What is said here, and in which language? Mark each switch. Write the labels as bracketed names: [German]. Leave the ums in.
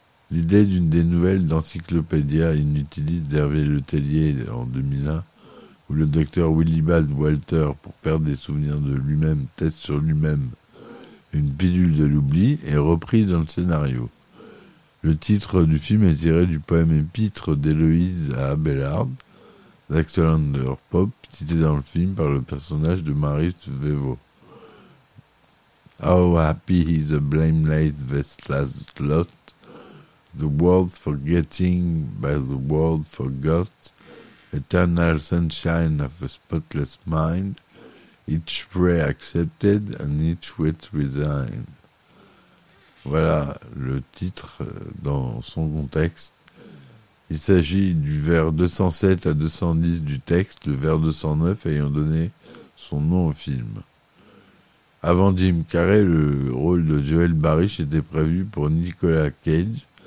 [French] L'idée d'une des nouvelles d'Encyclopédia Inutilis d'Hervé Letellier en 2001, où le docteur Willibald Walter, pour perdre des souvenirs de lui-même, teste sur lui-même une pilule de l'oubli, est reprise dans le scénario. Le titre du film est tiré du poème épître d'Héloïse à Abelard, d'Axelander Pop, cité dans le film par le personnage de Maris Vevo. [English] How happy is the blameless vestless lot, the world forgetting by the world forgot, eternal sunshine of a spotless mind, each prayer accepted and each wit resigned. [French] Voilà le titre dans son contexte. Il s'agit du vers 207 à 210 du texte, le vers 209 ayant donné son nom au film. Avant Jim Carrey, le rôle de Joel Barish était prévu pour Nicolas Cage.